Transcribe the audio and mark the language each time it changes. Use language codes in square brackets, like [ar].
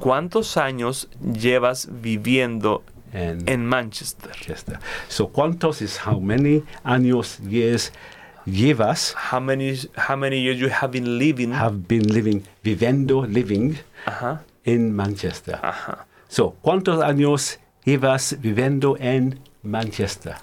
[es] ¿Cuántos años llevas viviendo en Manchester? Manchester. [en] So, ¿cuántos is how many años, years, llevas? How many years you have been living? Have been living in Manchester. [es] So, ¿cuántos años llevas viviendo en Manchester?